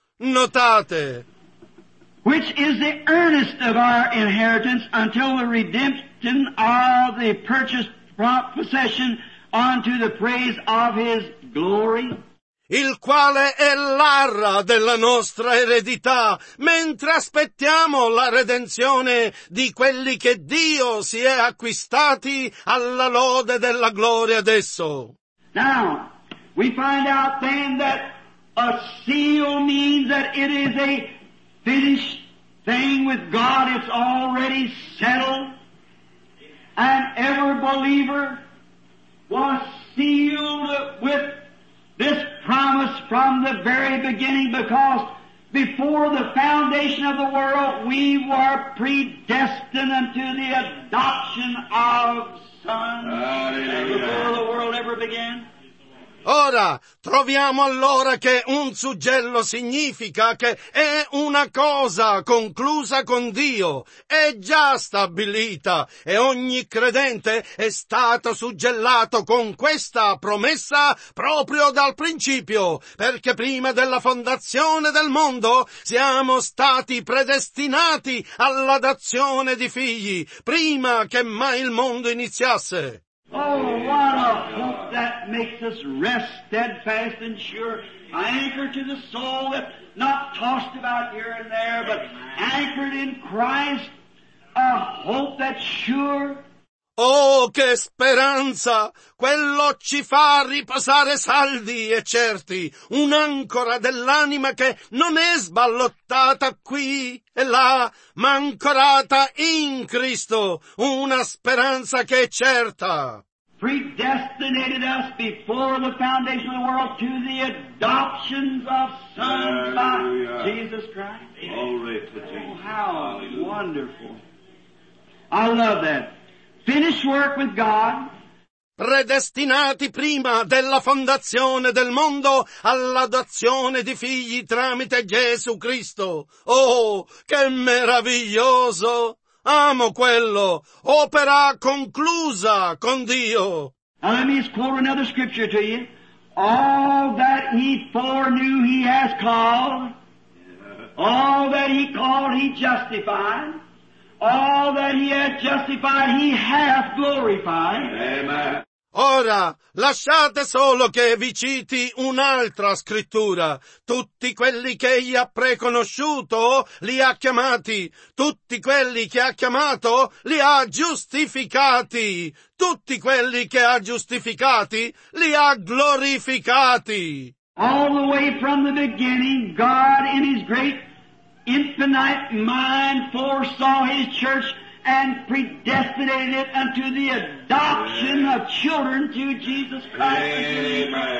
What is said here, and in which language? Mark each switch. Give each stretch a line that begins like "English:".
Italian: Notate.
English: Which is the earnest of our inheritance until the redemption of the purchased possession unto the praise of his glory.
Italian: Il quale è l'arra della nostra eredità, mentre aspettiamo la redenzione di quelli che Dio si è acquistati alla lode della gloria adesso.
English: Now, we find out then that a seal means that it is a finished thing with God, it's already settled, and every believer was sealed with this promise from the very beginning, because before the foundation of the world, we were predestined unto the adoption of sons. Hallelujah. Before the world ever began.
Italian: Ora, troviamo allora che un suggello significa che è una cosa conclusa con Dio, è già stabilita, e ogni credente è stato suggellato con questa promessa proprio dal principio, perché prima della fondazione del mondo siamo stati predestinati all'adozione di figli, prima che mai il mondo iniziasse.
English: Oh, what a hope that makes us rest steadfast and sure, anchored to the soul, that not tossed about here and there, but anchored in Christ, a hope that's sure.
Italian: Oh, che speranza! Quello ci fa riposare saldi e certi, un'ancora dell'anima che non è sballottata qui e là, ma ancorata in Cristo, una speranza che è certa.
English: Predestinated us before the foundation of the world to the adoptions of sons by Jesus Christ. Glory to Jesus. Oh, how Hallelujah. Wonderful. I love that. Finished work with God.
Italian: Predestinati prima della fondazione del mondo all'adozione di figli tramite Gesù Cristo. Oh, che meraviglioso! Amo quello! Opera conclusa con Dio!
English: Now let me just quote another scripture to you. All that he foreknew he has called. All that he called he justified. All that he hath justified, he hath glorified. Amen.
Italian: Ora, lasciate solo che vi citi un'altra scrittura. Tutti quelli che egli ha preconosciuto, li ha chiamati. Tutti quelli che ha chiamato, li ha giustificati. Tutti quelli che ha giustificati, li ha glorificati.
English: All the way from the beginning, God in his great infinite mind foresaw his church and predestinated it unto the adoption Amen. Of children to Jesus Christ.